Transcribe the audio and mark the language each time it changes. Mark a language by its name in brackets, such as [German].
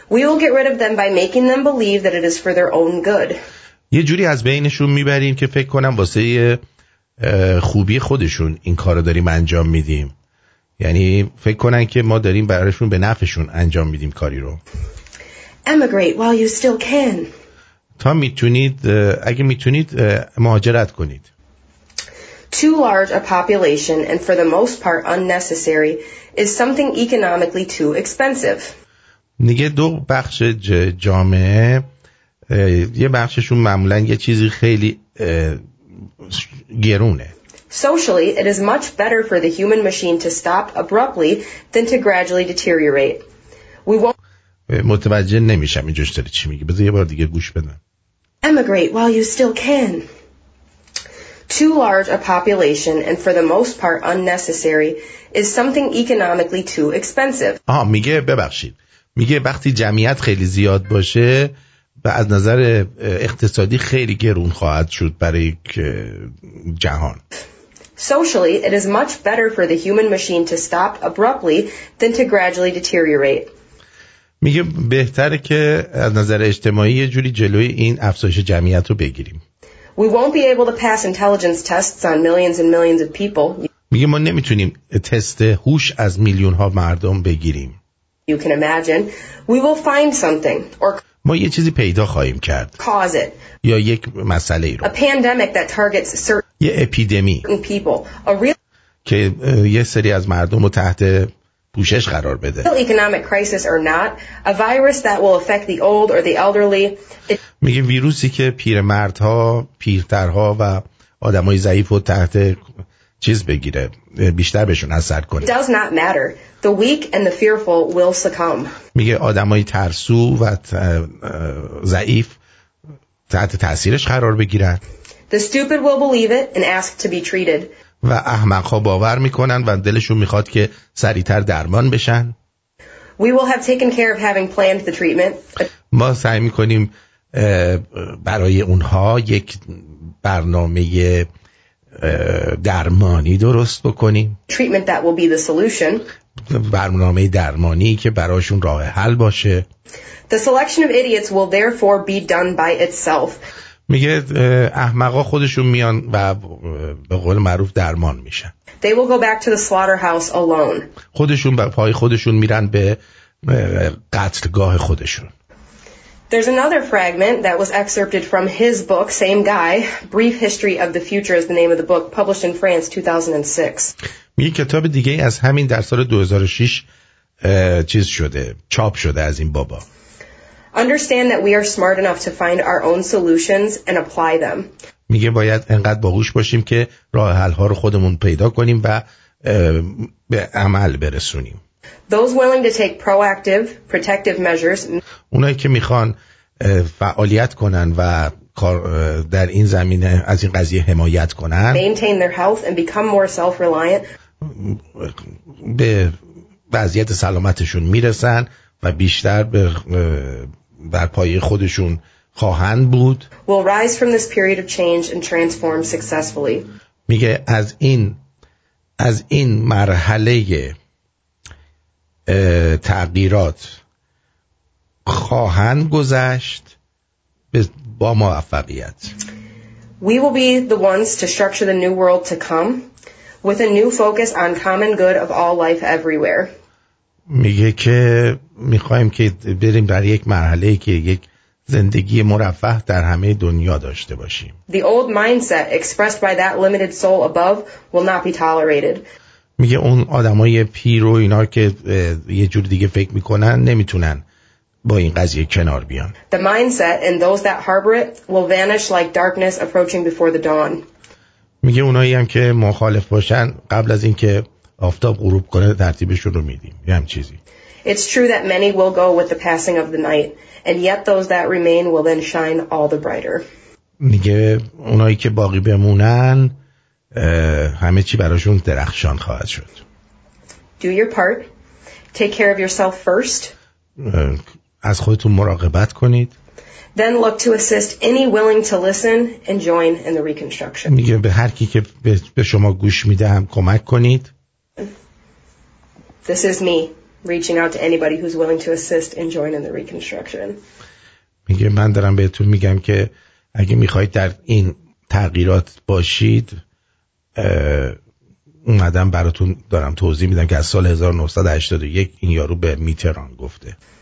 [English] We will get rid of them by making them believe that it is for their own good. [Persian] یه جوری از بینشون میبریم که فکر کنم واسه خوبی خودشون این کارو داریم انجام میدیم. یعنی فکر کنن که ما داریم برایشون به نفعشون انجام میدیم کاری رو. [English] Emigrate while you still can. [Persian] تا میتونید، اگه میتونید مهاجرت کنید. [English] Too large a population and for the most part unnecessary is something economically too expensive. [Persian] نگه دو بخش جامعه، یه بخششون معمولا یه چیزی خیلی گرونه. [English] Socially, it is much better for the human machine to stop abruptly than to gradually deteriorate. We won't. [Persian] متوجه نمیشم اینجوری داره چی میگه. بذار یه بار دیگه گوش بدم. [English] Emigrate while you still can. Too large a population and for the most part unnecessary is something economically too expensive. [Persian] آها، میگه ببخشید. میگه وقتی جمعیت خیلی زیاد باشه و از نظر اقتصادی خیلی گرون خواهد شد برای جهان. [English] Socially, it is much better for the human machine to stop abruptly than to gradually deteriorate. [Persian] میگه بهتره که از نظر اجتماعی یه جوری جلوی این افزایش جمعیت رو بگیریم. [English] We won't be able to pass intelligence tests on millions and millions of people. [Persian] میگه ما نمیتونیم تست هوش از میلیون ها مردم بگیریم. [English] You can imagine, we will find something or [Persian] ما یه چیزی پیدا خواهیم کرد. [English] Cause it. [Persian] یا یک مسئله ای رو. [English] A pandemic that targets certain [Persian] یه اپیدمی [English] people. A real [Persian] که یه سری از مردم رو تحت پوشش قرار بده. [English] Real economic crisis or not, a virus that will affect the old or the elderly. [Persian] میگه ویروسی که پیرمردها، پیرترها و آدمای ضعیف رو تحت چیز بگیره بیشتر بهشون اثر کنه. [English] Does not matter. The weak and the fearful will succumb. [Persian] میگه آدمای ترسو و ضعیف تحت تأثیرش قرار بگیرن. [English] The stupid will believe it and ask to be treated. [Persian] و احمق‌ها باور میکنن و دلشون میخواد که سریعتر درمان بشن. [English] We will have taken care of having planned the treatment. [Persian] ما سعی میکنیم برای اونها یک برنامه درمانی درست بکنیم. [English] Treatment that will be the solution. [Persian] برنامه درمانی که براشون راه حل باشه. [English] The selection of idiots will therefore be done by itself. [Persian] میگه احمقا خودشون میان و به قول معروف درمان میشن. [English] They will go back to the slaughterhouse alone. [Persian] خودشون به پای خودشون میرن به قتلگاه خودشون. [English] There's another fragment that was excerpted from his book, same guy, Brief History of the Future is the name of the book, published in France 2006. [Persian] یک کتاب دیگه از همین در سال 2006 چیز شده، چاپ شده از این بابا. [English] Understand that we are smart enough to find our own solutions and apply them. [Persian] میگه باید انقدر باهوش باشیم که راه حل ها رو خودمون پیدا کنیم و به عمل برسونیم. [English] Those willing to take proactive protective measures. [Persian] اونایی که میخوان فعالیت کنن و در این زمینه از این قضیه حمایت کنن. [English] Maintain their health and become more self-reliant. [Persian] به وضعیت سلامتشون میرسن و بیشتر به بر پایه خودشون خواهند بود. [English] Will rise from this period of change and transform successfully. [Persian] میگه از این مرحله تغییرات خواهند گذشت با موفقیت. [English] We will be the ones to structure the new world to come with a new focus on common good of all life everywhere. [Persian] میگه که میخواییم که بریم در یک مرحله که یک زندگی مرفه در همه دنیا داشته باشیم. [English] The old mindset expressed by that limited soul above will not be tolerated. [Persian] میگه اون آدمای پیر و اینا که یه جور دیگه فکر میکنن نمیتونن با این قضیه کنار بیان. [English] The mindset and those that harbor it will vanish like darkness approaching before the dawn. [Persian] میگه اونایی هم که مخالف باشن قبل از اینکه آفتاب غروب کنه ترتیبشون رو میدیم. یه هم چیزی. [English] It's true that many will go with the passing of the night and yet those that remain will then shine all the brighter. [Persian] میگه اونایی که باقی بمونن همه چی براشون درخشان خواهد شد. [English] Do your part. Take care of yourself first. [Persian] از خودتون مراقبت کنید. [English] Then look to assist any willing to listen and join in the reconstruction. [Persian] میگه به هر کی که به شما گوش میده هم کمک کنید. [English] This is me reaching out to anybody who's willing to assist and join in the reconstruction. [Persian] میگه من دارم بهتون میگم که اگه میخواهید در این تغییرات باشید اومدم براتون دارم توضیح میدم که از سال 1981 این یارو به میتران گفته.